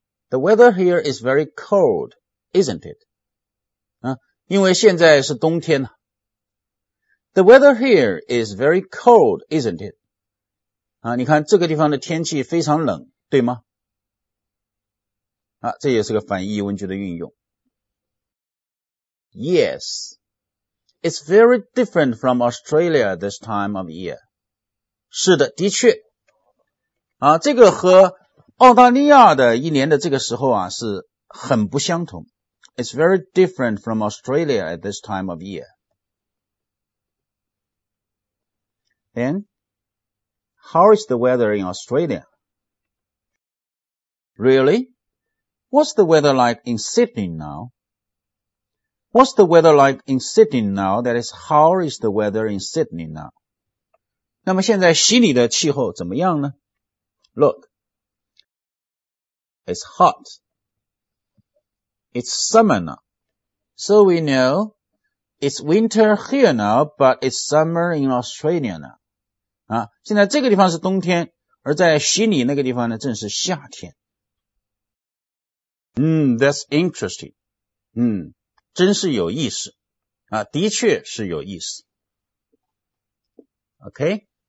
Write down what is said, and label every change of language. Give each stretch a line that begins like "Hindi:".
English: The weather here is very cold, isn't it?
Chinese: 因为现在是冬天了。
English: The weather here is very cold, isn't it?
Chinese: 啊，你看这个地方的天气非常冷，对吗？啊，这也是个反义疑问句的运用。
English: Yes, it's very different from Australia this time of year.
Chinese: 是的，的确。啊，这个和澳大利亚的一年的这个时候啊，是很不相同。
English: It's very different from Australia at this time of year. Then, how is the weather in Australia? Really? What's the weather like in Sydney now? What's the weather like in Sydney now? That is, how is the weather in Sydney now? 那么现在悉尼的气候怎么样呢? Look, it's hot. It's summer now. So we know it's winter here now, but it's summer in Australia now.
Chinese: 啊，现在这个地方是冬天，而在悉尼那个地方呢，正是夏天。
English: That's interesting.
Chinese: 真是有意思。啊，的确是有意思。Okay?